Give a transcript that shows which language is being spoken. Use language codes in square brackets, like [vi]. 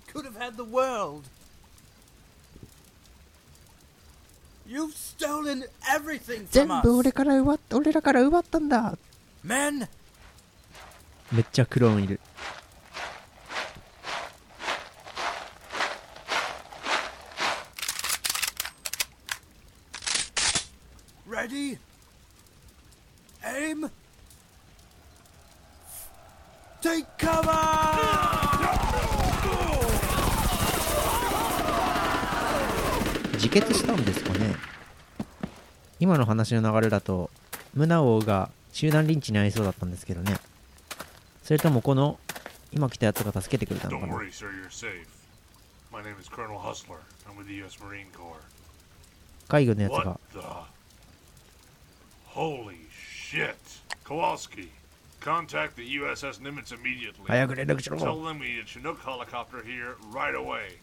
[en] Could have had the world. You've stolen everything from us. [ja] 全部俺らから奪ったんだ。 [en] Men. [ja] めっちゃクローンいる。 [en] Ready. Aim. Take cover. [ja] 自決したんですかね。今の話の流れだとムナ王が集団リンチに遭いそうだったんですけどね。それともこの今来たやつが助けてくれたのかな。 [en] Don't worry, sir, you're safe. My name is Colonel Hustler. I'm with the US Marine Corps. [ja] 海軍のやつが [en] What the... Holy shit! Kowalski, contact the USS Nimitz immediately. [ja] 早く連絡しろ。 [en] Tell them we need a Chinook helicopter here right away.